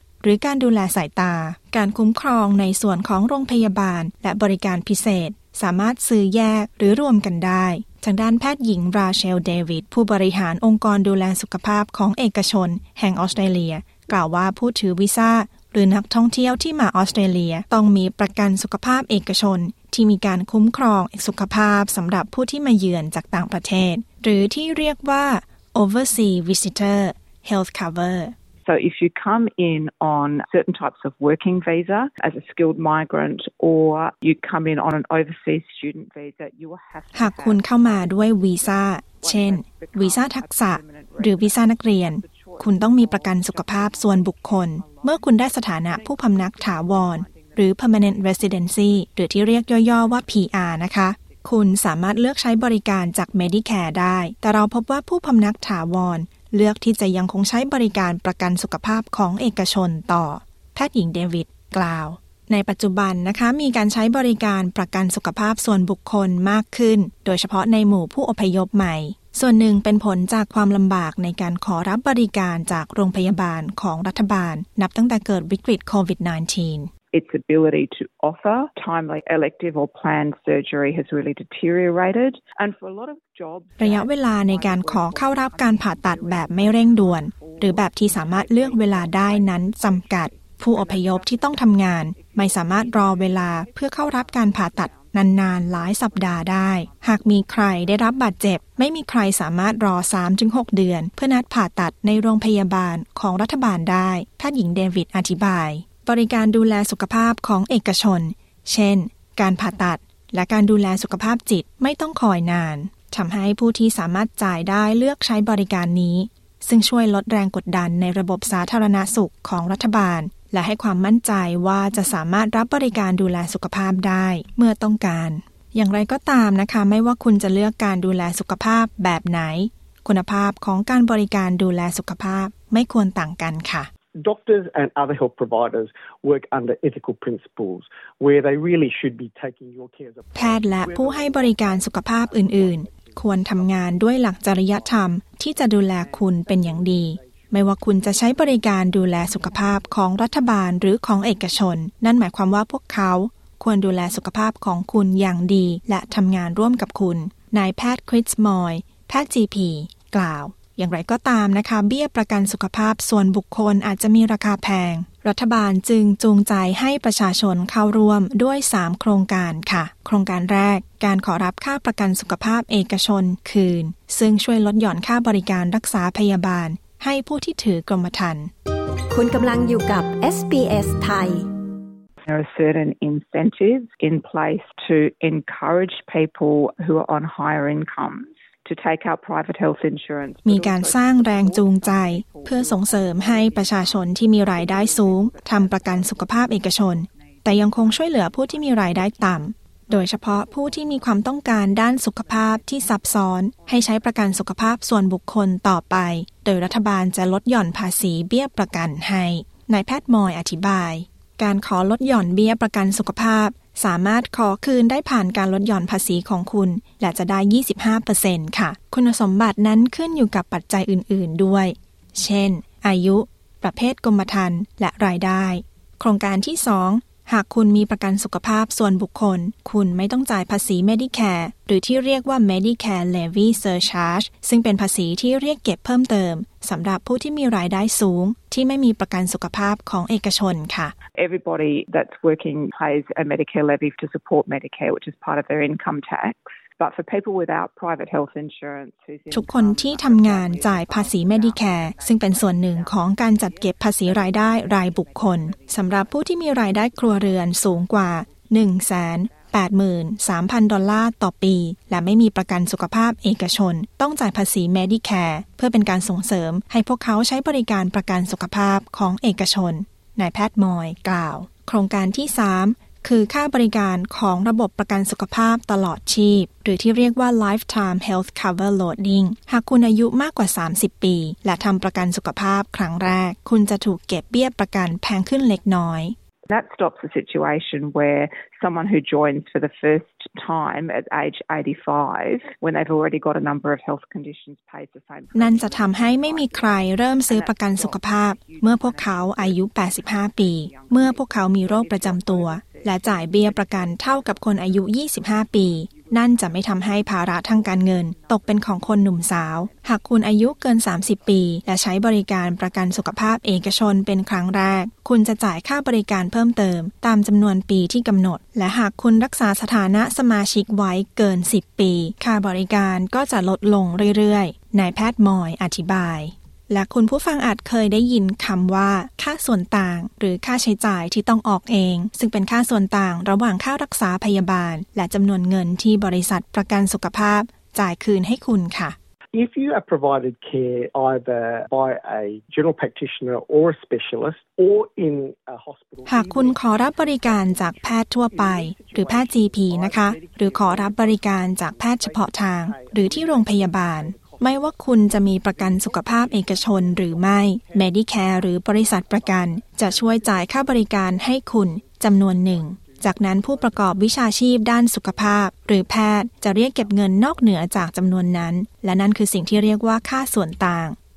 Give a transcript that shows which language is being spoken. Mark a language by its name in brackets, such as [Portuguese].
[Thai] หรือการดูแลสายตาการคุ้มครองในส่วนของโรงพยาบาลและบริการพิเศษสามารถซื้อแยกหรือรวมกันได้ทางด้านแพทย์หญิงราเชลเดวิดผู้บริหารองค์กรดูแลสุขภาพของเอกชนแห่งออสเตรเลียกล่าวว่าผู้ถือวีซ่าหรือนักท่องเที่ยวที่มาออสเตรเลียต้องมีประกันสุขภาพเอกชนที่มีการคุ้มครองสุขภาพสำหรับผู้ที่มาเยือนจากต่างประเทศหรือที่เรียกว่า Overseas Visitor Health Cover [English] So if you come in on certain types of working visa as a skilled migrant or you come in on an overseas student visa you will have [Thai] หากคุณเข้ามาด้วยวีซ่าเช่นวีซ่าทักษะหรือวีซ่านักเรียนคุณต้องมีประกันสุขภาพส่วนบุคคลเมื่อคุณได้สถานะผู้พำนักถาวรหรือ Permanent Residency หรือที่เรียกย่อๆว่า PR นะคะคุณสามารถเลือกใช้บริการจาก Medicare ได้แต่เราพบว่าผู้พำนักถาวรเลือกที่จะยังคงใช้บริการประกันสุขภาพของเอกชนต่อ แพทย์หญิงเดวิดกล่าวในปัจจุบันนะคะมีการใช้บริการประกันสุขภาพส่วนบุคคลมากขึ้นโดยเฉพาะในหมู่ผู้อพยพใหม่ส่วนหนึ่งเป็นผลจากความลำบากในการขอรับบริการจากโรงพยาบาลของรัฐบาลนับตั้งแต่เกิดวิกฤตโควิด-19 [English] Its ability to offer timely elective or planned surgery has really deteriorated and for a lot of jobs [Thai] ระยะเวลาในการขอเข้ารับการผ่าตัดแบบไม่เร่งด่วนหรือแบบที่สามารถเลือกเวลาได้นั้นจำกัดผู้อพยพที่ต้องทำงานไม่สามารถรอเวลาเพื่อเข้ารับการผ่าตัดนานๆหลายสัปดาห์ได้หากมีใครได้รับบาดเจ็บไม่มีใครสามารถรอ 3-6 เดือนเพื่อนัดผ่าตัดในโรงพยาบาลของรัฐบาลได้แพทย์หญิงเดวิดอธิบายบริการดูแลสุขภาพของเอกชน เช่นการผ่าตัดและการดูแลสุขภาพจิตไม่ต้องคอยนานทำให้ผู้ที่สามารถจ่ายได้เลือกใช้บริการนี้ซึ่งช่วยลดแรงกดดันในระบบสาธารณสุขของรัฐบาลและให้ความมั่นใจว่าจะสามารถรับบริการดูแลสุขภาพได้เมื่อต้องการอย่างไรก็ตามนะคะไม่ว่าคุณจะเลือกการดูแลสุขภาพแบบไหนคุณภาพของการบริการดูแลสุขภาพไม่ควรต่างกันค่ะ [English] Doctors and other health providers work under ethical principles where they really should be taking your care as a [Thai] แพทย์และผู้ให้บริการสุขภาพอื่นๆควรทำงานด้วยหลักจริยธรรมที่จะดูแลคุณเป็นอย่างดีไม่ว่าคุณจะใช้บริการดูแลสุขภาพของรัฐบาลหรือของเอกชนนั่นหมายความว่าพวกเขาควรดูแลสุขภาพของคุณอย่างดีและทำงานร่วมกับคุณนายแพทย์คริสมอยแพทย์ GP กล่าวอย่างไรก็ตามนะคะเบี้ยประกันสุขภาพส่วนบุคคลอาจจะมีราคาแพงรัฐบาลจึงจูงใจให้ประชาชนเข้าร่วมด้วย3โครงการค่ะโครงการแรกการขอรับค่าประกันสุขภาพเอกชนคืนซึ่งช่วยลดหย่อนค่าบริการรักษาพยาบาลให้ผู้ที่ถือกรมธรรม์คุณกำลังอยู่กับ SBS ไทย [English] There are certain incentives in place to encourage people who are on higher incomes to take out private health insurance [Thai] มีการสร้างแรงจูงใจเพื่อส่งเสริมให้ประชาชนที่มีรายได้สูงทำประกันสุขภาพเอกชนแต่ยังคงช่วยเหลือผู้ที่มีรายได้ต่ำโดยเฉพาะผู้ที่มีความต้องการด้านสุขภาพที่ซับซ้อนให้ใช้ประกันสุขภาพส่วนบุคคลต่อไปโดยรัฐบาลจะลดหย่อนภาษีเบี้ยประกันให้นายแพทย์มอยอธิบาย การขอลดหย่อนเบี้ยประกันสุขภาพสามารถขอคืนได้ผ่านการลดหย่อนภาษีของคุณและจะได้ 25% ค่ะคุณสมบัตินั้นขึ้นอยู่กับปัจจัยอื่นๆด้วย เช่นอายุประเภทกรมธรรม์และรายได้โครงการที่2หากคุณมีประกันสุขภาพส่วนบุคคลคุณไม่ต้องจ่ายภาษี Medicare หรือที่เรียกว่า Medicare Levy Surcharge ซึ่งเป็นภาษีที่เรียกเก็บเพิ่มเติมสำหรับผู้ที่มีรายได้สูงที่ไม่มีประกันสุขภาพของเอกชนค่ะ [English] Everybody that's working pays a Medicare levy to support Medicare which is part of their income tax but for people without private health insurance [Thai] ทุกคนที่ทำงานจ่ายภาษี Medicare ซึ่งเป็นส่วนหนึ่งของการจัดเก็บภาษีรายได้รายบุคคลสำหรับผู้ที่มีรายได้ครัวเรือนสูงกว่า 183,000 ดอลลาร์ต่อปีและไม่มีประกันสุขภาพเอกชนต้องจ่ายภาษี Medicare เพื่อเป็นการส่งเสริมให้พวกเขาใช้บริการประกันสุขภาพของเอกชนนายแพทย์มอยกล่าวโครงการที่3คือค่าบริการของระบบประกันสุขภาพตลอดชีพหรือที่เรียกว่า Lifetime Health Cover Loading หากคุณอายุมากกว่า30ปีและทำประกันสุขภาพครั้งแรกคุณจะถูกเก็บเบี้ยประกันแพงขึ้นเล็กน้อย [English] That stops a situation where someone who joins for the first time at age 85, when they've already got a number of health conditions, pays the same. [Thai] นั่นจะทำให้ไม่มีใครเริ่มซื้อประกันสุขภาพเมื่อพวกเขาอายุ85ปีเมื่อพวกเขามีโรคประจำตัวและจ่ายเบี้ยประกันเท่ากับคนอายุ25ปี นั่นจะไม่ทำให้ภาระทางการเงินตกเป็นของคนหนุ่มสาวหากคุณอายุเกิน30ปีและใช้บริการประกันสุขภาพเอกชนเป็นครั้งแรกคุณจะจ่ายค่าบริการเพิ่มเติมตามจำนวนปีที่กำหนดและหากคุณรักษาสถานะสมาชิกไว้เกิน10ปีค่าบริการก็จะลดลงเรื่อยๆนายแพทย์มอยอธิบาย และคุณผู้ฟังอาจเคยได้ยินคำว่าค่าส่วนต่างหรือค่าใช้จ่ายที่ต้องออกเองซึ่งเป็นค่าส่วนต่างระหว่างค่ารักษาพยาบาลและจำนวนเงินที่บริษัทประกันสุขภาพจ่ายคืนให้คุณค่ะ [English] If you are provided care either by a general practitioner or a specialist or in a hospital [Thai] หากคุณขอรับบริการจากแพทย์ทั่วไปหรือแพทย์ GP นะคะหรือขอรับบริการจากแพทย์เฉพาะทางหรือที่โรงพยาบาลไม่ว่าคุณจะมีประกันสุขภาพเอกชนหรือไม่ Medicare หรือบริษัทประกันจะช่วยจ่ายค่าบริการให้คุณจำนวนหนึ่งจากนั้นผู้ประกอบวิชาชีพด้านสุขภาพหรือแพทย์จะเรียกเก็บเงินนอกเหนือจากจำนวนนั้นและนั่นคือสิ่งที่เรียกว่าค่าส่วนต่าง